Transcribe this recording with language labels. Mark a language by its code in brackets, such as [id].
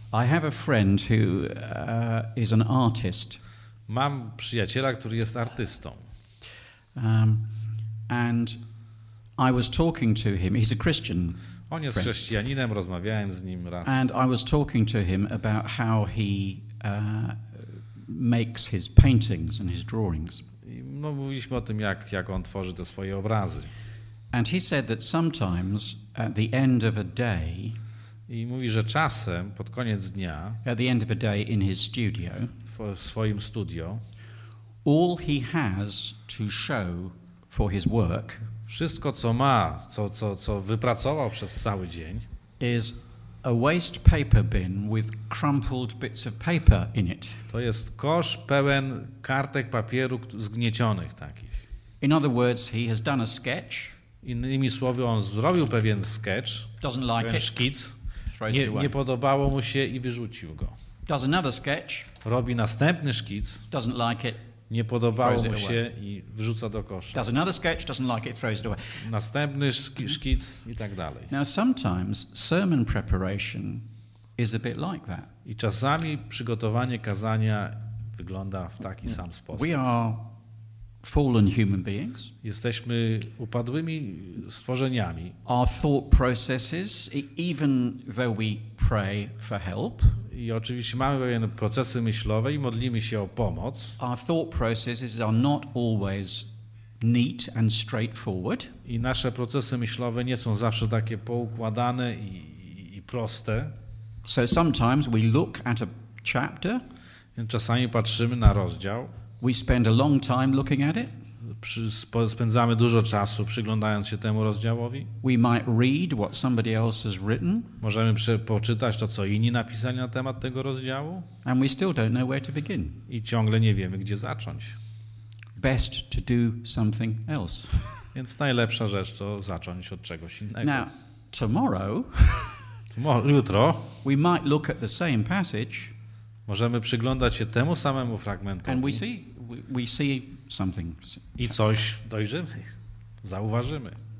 [en] I have a friend who is an artist. [pl] Mam przyjaciela, który jest artystą. [en] And I was talking to him. He's a Christian. [pl] On jest chrześcijaninem, rozmawiałem z nim raz. [en] And I was talking to him about how he makes his paintings and his drawings. [pl] No, mówiliśmy o tym, jak on tworzy te swoje obrazy. [en] And he said that sometimes at the end of a day, [pl] i mówi, że czasem pod koniec dnia, [en] at the end of a day in his studio, [pl] w swoim studio, [en] all he has to show for his work, [pl] wszystko co ma, co wypracował przez cały dzień, [en] is a waste paper bin with crumpled bits of paper in it. [pl] To jest kosz pełen kartek papieru zgniecionych takich. [en] In other words, he has done a sketch. [pl] Innymi słowy, on zrobił pewien sketch, szkic, nie podobało mu się i wyrzucił go. [en] Does another sketch, [pl] robi następny szkic, [en] doesn't like it, [pl] nie podobało mu się i wrzuca do kosza. [en] Does another sketch, doesn't like it, throws it away. [pl] Następny szkic i tak dalej. [en] Now sometimes sermon preparation is a bit like that. [pl] I czasami przygotowanie kazania wygląda w taki sam sposób. [en] We are fallen human beings. [pl] Jesteśmy upadłymi stworzeniami. [en] Our thought processes, even though we pray for help. [pl] I oczywiście mamy pewien procesy myślowe i modlimy się o pomoc. [en] Our thought processes are not always neat and straightforward. [pl] I nasze procesy myślowe nie są zawsze takie poukładane i proste. [en] So sometimes we look at a chapter. [pl] Więc czasami patrzymy na rozdział. [en] We spend a long time looking at it. [pl] Spędzamy dużo czasu przyglądając się temu rozdziałowi. [en] We might read what somebody else has written. [pl] Możemy poczytać to, co inni napisali na temat tego rozdziału. [en] And we still don't know where to begin. [pl] I ciągle nie wiemy, gdzie zacząć. [en] Best to do something else. [pl] Więc najlepsza rzecz to zacząć od czegoś innego. [en] Now, tomorrow, [pl] jutro, [en] we might look at the same passage. [pl] Możemy przyglądać się temu samemu fragmentowi. [en] And we see something. [pl] I coś dojrzymy, zauważymy.